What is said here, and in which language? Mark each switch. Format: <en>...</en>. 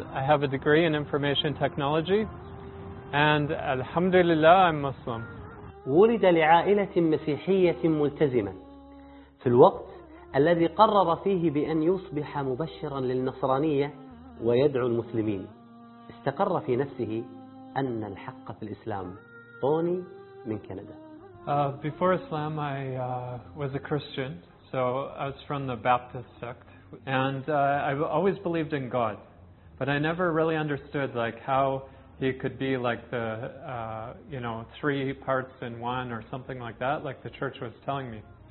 <en>I have a degree in information technology. And alhamdulillah, I'm Muslim.</en> <ar>ولد لعائلة مسيحية ملتزمة في الوقت الذي قرر فيه بأن يصبح مبشرا للنصرانية ويدعو المسلمين. استقر في نفسه أن الحق في الإسلام. توني من كندا.</ar> <en>Before Islam, I was a Christian. So I was from the Baptist sect, and I've always believed in God, but I never really understood like how he could be like the three parts in one or something like that, like the church was telling me.</en>